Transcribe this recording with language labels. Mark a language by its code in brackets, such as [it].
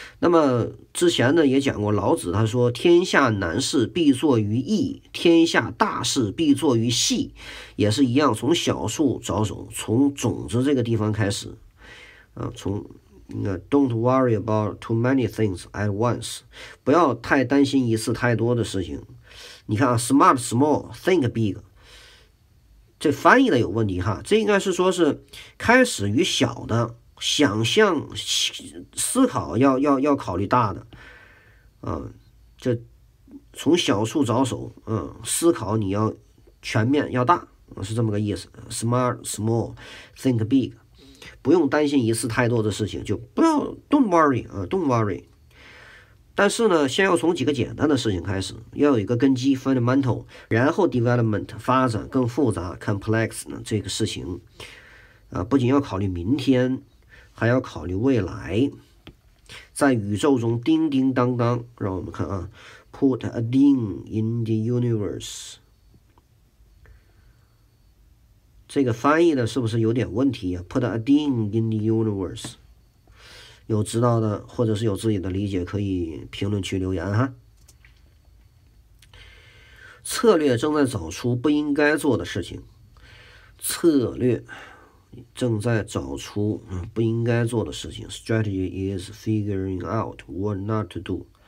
[zh] 那么之前呢也讲过，老子他说：“天下难事必作于易，天下大事必作于细。 ”也是一样，从小处着手，从种子这个地方开始。从 [en] Don't worry about too many things at once， [zh] 不要太担心一次太多的事情。你看啊， [en] smart small think big。 [zh] 这翻译的有问题哈，这应该是说是开始于小的，想象思考要考虑大的，这从小处着手，思考你要全面要大，是这么个意思。 [en] Smart, small, think big， [zh] 不用担心一次太多的事情，就不要 [en] don't worry don't worry。 [zh] 但是呢，先要从几个简单的事情开始，要有一个根基 （fundamental），然后 development 发展更复杂 （complex） 呢这个事情，不仅要考虑明天，还要考虑未来，在宇宙中叮叮当当。让我们看啊， [en] put a ding in the universe， [zh] 这个翻译的是不是有点问题呀？ [en] put a ding in the universe。 [zh] 有知道的，或者是有自己的理解，可以评论区留言哈。策略正在找出不应该做的事情，策略正在找出不应该做的事情。 [en] Strategy is figuring out what not to do。